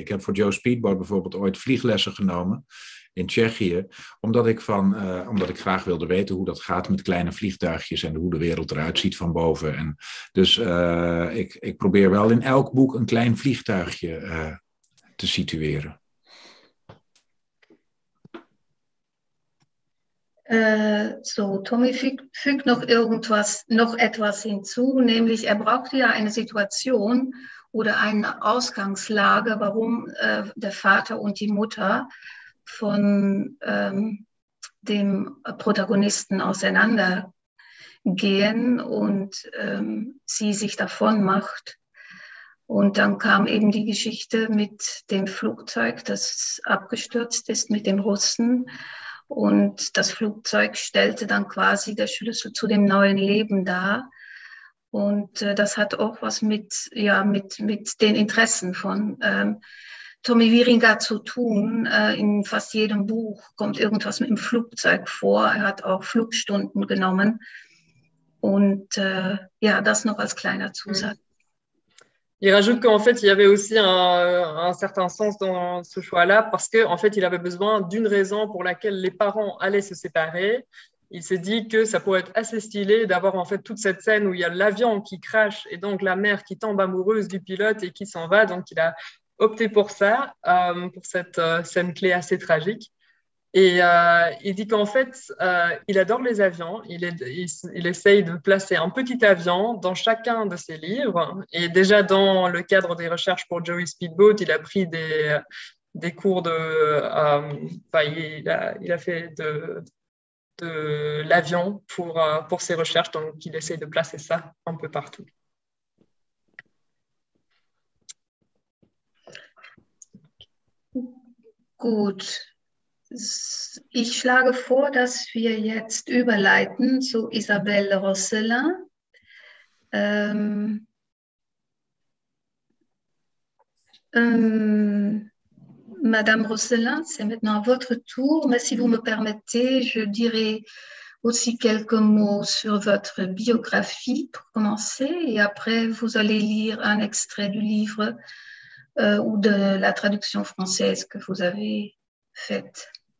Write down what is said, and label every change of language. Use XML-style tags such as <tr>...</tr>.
<nl>Ik heb voor Joe Speedboat bijvoorbeeld ooit vlieglessen genomen in Tsjechië. Omdat ik graag wilde weten hoe dat gaat met kleine vliegtuigjes en hoe de wereld eruit ziet van boven. En dus ik probeer wel in elk boek een klein vliegtuigje te situeren.</nl> <de>So, Tommy fügt noch etwas hinzu, nämlich er brauchte ja eine Situation oder eine Ausgangslage, warum der Vater und die Mutter von dem Protagonisten auseinandergehen und sie sich davon macht. Und dann kam eben die Geschichte mit dem Flugzeug, das abgestürzt ist mit dem Russen. Und das Flugzeug stellte dann quasi der Schlüssel zu dem neuen Leben dar. Und das hat auch was mit den Interessen von Tommy Wieringer zu tun. In fast jedem Buch kommt irgendwas mit dem Flugzeug vor. Er hat auch Flugstunden genommen. Und das noch als kleiner Zusatz.</de> <fr>Il rajoute qu'en fait, il y avait aussi un certain sens dans ce choix-là parce qu'en fait, il avait besoin d'une raison pour laquelle les parents allaient se séparer. Il s'est dit que ça pourrait être assez stylé d'avoir en fait toute cette scène où il y a l'avion qui crache et donc la mère qui tombe amoureuse du pilote et qui s'en va. Donc, il a opté pour ça, pour cette scène clé assez tragique. Et il dit qu'en fait, il adore les avions. Il essaye de placer un petit avion dans chacun de ses livres. Et déjà dans le cadre des recherches pour Joey Speedboat, il a pris des cours de... Il a fait de l'avion pour ses recherches. Donc, il essaye de placer ça un peu partout.</fr> <de>Gut. Ich schlage vor, dass wir jetzt überleiten zu Isabelle Rosselin.</de> <fr>Madame Rosselin, c'est maintenant à votre tour, mais si vous me permettez, je dirai aussi quelques mots sur votre biographie pour commencer, et après vous allez lire un extrait du livre ou de la traduction française que vous avez faite.</fr>